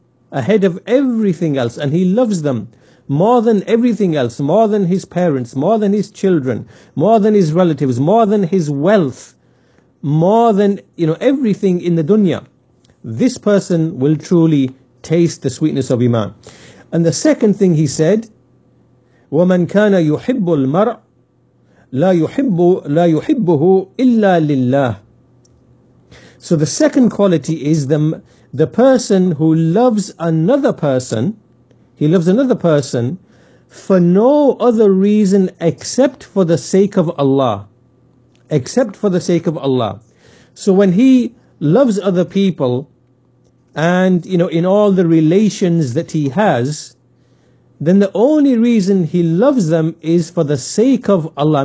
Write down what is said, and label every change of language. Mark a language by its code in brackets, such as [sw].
[en] Ahead of everything else. And he loves them more than everything else. More than his parents. More than his children. More than his relatives. More than his wealth. More than, you know, everything in the dunya. This person will truly taste the sweetness of Iman. And the second thing he said, [ar] وَمَنْ كَانَ يُحِبُّ الْمَرْءُ لَا يُحِبُّهُ إِلَّا لِلَّهِ. [en] So the second quality is the person who loves another person, he loves another person for no other reason except for the sake of Allah. Except for the sake of Allah. So when he loves other people, and, you know, in all the relations that he has, then the only reason he loves them is for the sake of Allah.